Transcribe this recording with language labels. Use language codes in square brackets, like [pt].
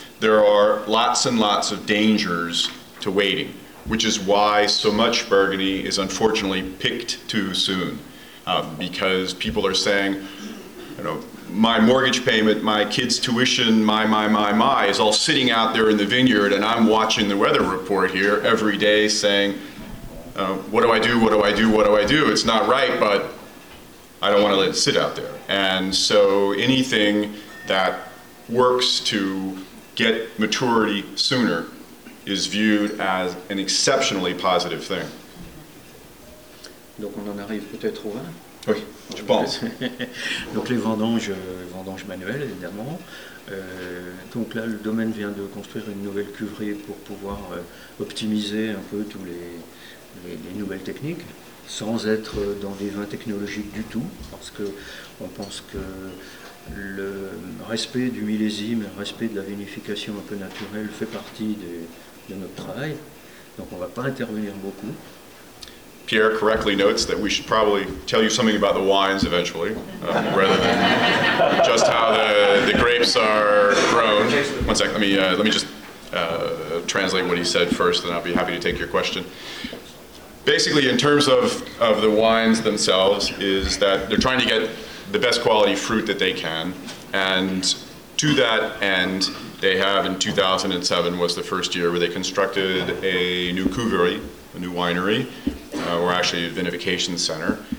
[en] There are lots and lots of dangers to waiting, which is why so much Burgundy is unfortunately picked too soon, because people are saying, you know, my mortgage payment, my kids' tuition, my is all sitting out there in the vineyard, and I'm watching the weather report here every day saying, what do I do? It's not right, but I don't want to let it sit out there. And so anything that works to get maturity sooner is viewed as an exceptionally positive thing. [fr] Donc on en arrive peut-être au vin. Oui, je pense. Donc les vendanges manuelles, évidemment. Donc là, le domaine vient de construire une nouvelle cuverie pour pouvoir optimiser un peu tous les nouvelles techniques, sans être dans des vins technologiques du tout, parce qu'on pense que le respect du millésime, le respect de la vinification un peu naturelle fait partie de notre travail, donc on ne va pas intervenir beaucoup. [en] Pierre correctly notes that we should probably tell you something about the wines eventually, rather than just how the grapes are grown. One sec, let me just translate what he said first, and I'll be happy to take your question. Basically, in terms of the wines themselves, is that they're trying to get the best quality fruit that they can, and to that end, they have in 2007 was the first year where they constructed a new cuverie, a new winery, or actually a vinification center.